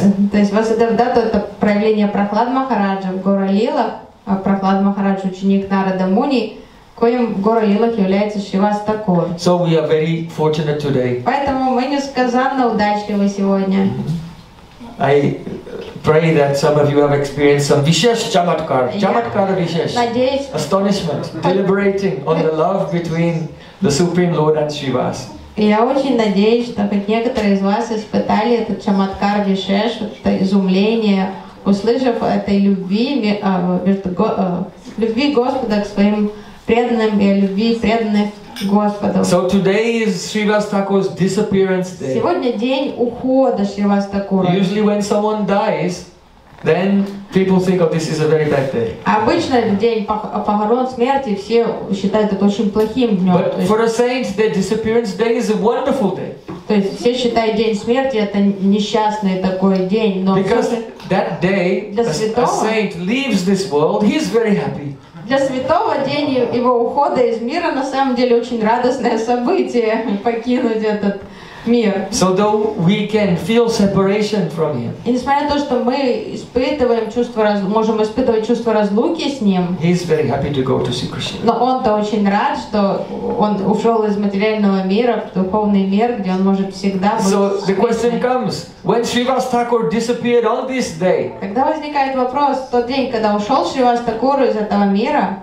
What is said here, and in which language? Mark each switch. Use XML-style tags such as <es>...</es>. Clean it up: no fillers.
<ru>То есть Васудев Датта — это проявление Прахлад Махараджа в Горалилах, а Прахлад Махарадж — ученик Нарада Муни, коим в Горалилах является Шривас Такур.</ru> <en>So we are very fortunate today.</en> <ru>Поэтому мы несказанно удачливы сегодня.</ru> <en>I pray that some of you have experienced some Vishesh Chamatkar. Chamatkar Vishesh.</en> <ru>Надеюсь.</ru> <en>Astonishment. Deliberating on the love between the Supreme Lord and Shivas.</en> <ru>Я очень надеюсь, что хоть некоторые из вас испытали этот чамадкар вишеш, это изумление, услышав этой любви Господа к своим преданным и любви преданных Господу.</ru> <en>So today is Srivastakura's disappearance day.</en> <ru>Сегодня день ухода Шривастакура.</ru> <en>Usually when someone dies, then people think, oh, this is a very bad day.</en> <ru>Обычно в день похорон смерти все считают это очень плохим днем.</ru> <en>But for a saint, the disappearance day is a wonderful day.</en> <ru>То есть все считают день смерти это несчастный такой день, но</ru> <en>because that day a saint leaves this world, he's very happy.</en> <ru>Для святого день его ухода из мира на самом деле очень радостное событие покинуть этот.</ru> <en>So though we can feel separation from him,</en> <ru>и несмотря на то, что мы испытываем чувство можем испытывать чувство разлуки с ним,</ru> <en>he is very happy to go to see Krishna.</en> <ru>Но он-то очень рад, что он ушел из материального мира в духовный мир, где он может всегда быть.</ru> <en>So the question comes: when Srivas Thakur disappeared on this day?</en> <ru>Когда возникает вопрос, тот день, когда ушел Шривас Такур из этого мира?</ru>